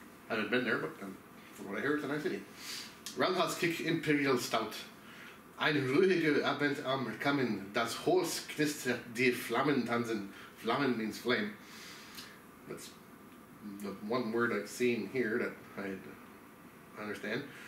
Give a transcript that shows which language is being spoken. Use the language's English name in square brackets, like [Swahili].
[English] I haven't been there, but from what I hear, it's a nice city. Roundhouse Kick Imperial Stout. [German] Ein ruhiger Abend am Kamin, das Holz knistert, die Flammen tanzen. [English] Flammen means flame. That's the one word I've seen here that I understand.